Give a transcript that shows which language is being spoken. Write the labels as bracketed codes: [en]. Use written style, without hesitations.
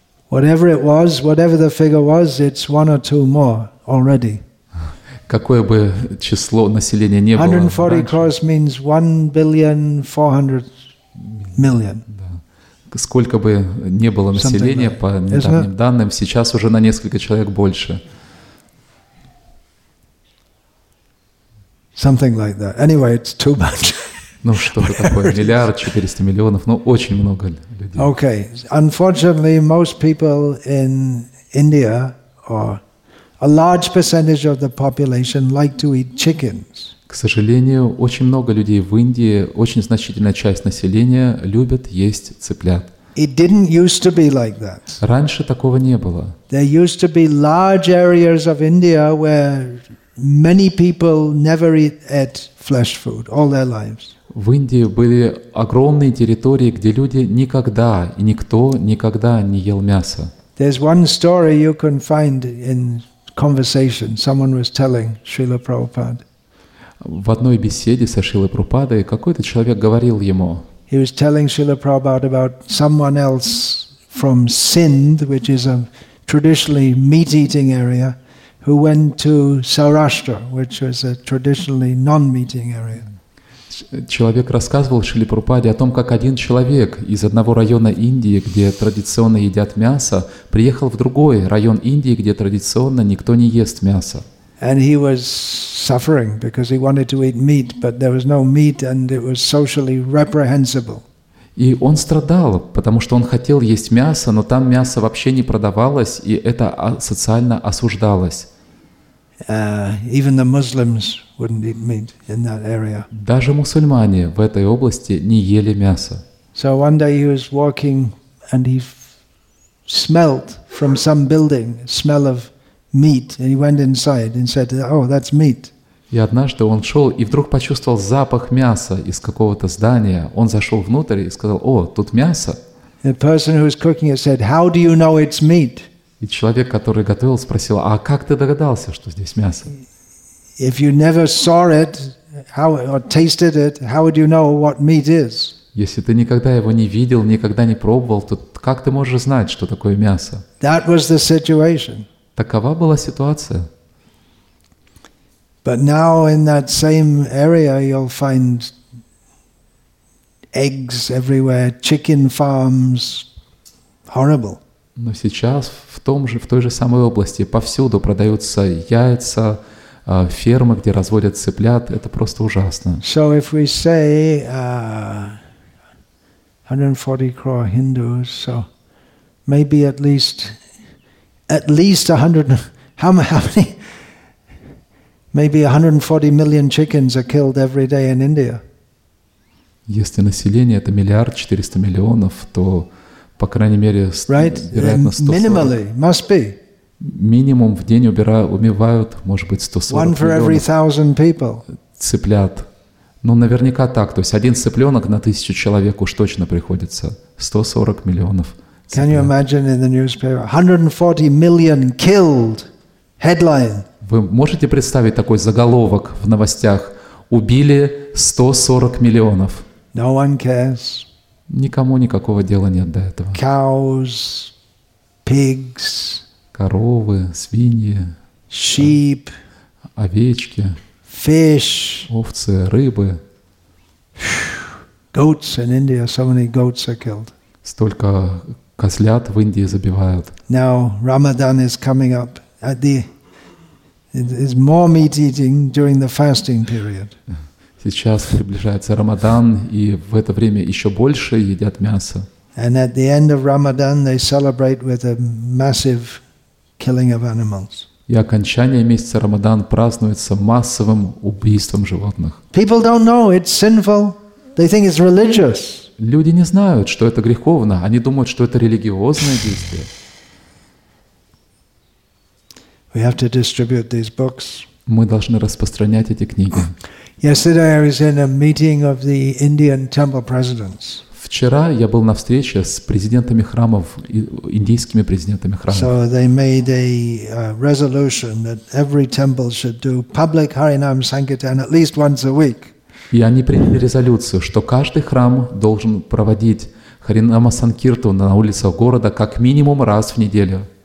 [en] Whatever it was, whatever the figure was, it's one or two more already. [ru] Какое бы число населения не было. [en] 140 crores means 1,400,000,000. [ru] Сколько бы не было населения, по недавним данным, сейчас уже на несколько человек больше. [en] Something like that. Anyway, it's too much. [ru] Ну что-то такое, 1,400,000,000, ну очень много людей. [en] Okay, unfortunately, most people in India or a large percentage of the population like to eat chickens. [ru] К сожалению, очень много людей в Индии, очень значительная часть населения любят есть цыплят. [en] It didn't used to be like that. [ru] Раньше такого не было. [en] There used to be large areas of India where many people never eat flesh food all their lives. [ru] В Индии были огромные территории, где люди никогда и никто никогда не ел мясо. [en] There's one story you can find in conversation. Someone was telling Srila Prabhupada. [ru] В одной беседе со Шрилой Прабхупадой какой-то человек говорил ему. [en] He was telling Srila Prabhupada about someone else from Sindh, which is a traditionally meat-eating area, who went to Saurashtra, which was a traditionally non-meat-eating area. [ru] Человек рассказывал Шриле Прабхупаде о том, как один человек из одного района Индии, где традиционно едят мясо, приехал в другой район Индии, где традиционно никто не ест мясо. [en] And he was suffering because he wanted to eat meat, but there was no meat, and it was socially reprehensible. [ru] И он страдал, потому что он хотел есть мясо, но там мясо вообще не продавалось, и это социально осуждалось. [en] Even the Muslims wouldn't eat meat in that area. [ru] Даже мусульмане в этой области не ели мясо. [en] So one day he was walking, and he smelled from some building smell of meat, and he went inside and said, "Oh, that's meat." [ru] И однажды он шел и вдруг почувствовал запах мяса из какого-то здания. Он зашел внутрь и сказал: "О, тут мясо." [en] The person who was cooking it said, "How do you know it's meat?" [ru] И человек, который готовил, спросил: "А как ты догадался, что здесь мясо?" [en] If you never saw it, how or tasted it, how would you know what meat is? [ru] Если ты никогда его не видел, никогда не пробовал, то как ты можешь знать, что такое мясо? [en] That was the situation. [ru] Такова была ситуация. [en] But now in that same area you'll find eggs everywhere, chicken farms, horrible. [ru] Но сейчас в том же, в той же самой области повсюду продаются яйца, фермы, где разводят цыплят, это просто ужасно. [en] So if we say 140 crore Hindus, so maybe at least 100, how many, maybe 140 million chickens are killed every day in India. [ru] Если население это 1,400,000,000, то, по крайней мере, [en] right? [ru] Вероятно, 140. [en] Minimally, must be. [ru] Минимум в день убивают, может быть, 140 миллионов. [en] One for every 1,000 people. [ru] Цыплят. Ну, наверняка так. То есть один цыпленок на 1,000 человек уж точно приходится. 140 миллионов. [en] Can you imagine in the newspaper 140 million killed headline? [ru] Вы можете представить такой заголовок в новостях: убили 140 миллионов. [en] No one cares. [ru] Никому никакого дела нет до этого. [en] Cows, pigs. [ru] Коровы, свиньи. [en] Sheep. [ru] Овечки. [en] Fish. [ru] Овцы, рыбы. [en] Goats in India, so many goats are killed. [ru] Столько козлят в Индии забивают. [en] Now Ramadan is coming up. It is more meat eating during the fasting period. [ru] Сейчас приближается Рамадан, и в это время еще больше едят мясо. [en] And at the end of Ramadan they celebrate with a massive killing of animals. [ru] И окончание месяца Рамадан празднуется массовым убийством животных. [en] People don't know it's sinful. They think it's religious. [ru] Люди не знают, что это греховно. Они думают, что это религиозное действие. [en] We have to distribute these books. [ru] Мы должны распространять эти книги. [en] Yesterday I was in a meeting of the Indian temple presidents. [ru] Вчера я был на встрече с президентами храмов, индийскими президентами храмов. [en] So they made a resolution that every temple should do public Harinam Sankirtan at least once a week. [ru] И они приняли резолюцию, что каждый храм должен проводить Харинама Санкиртана на улицах города как минимум раз в неделю.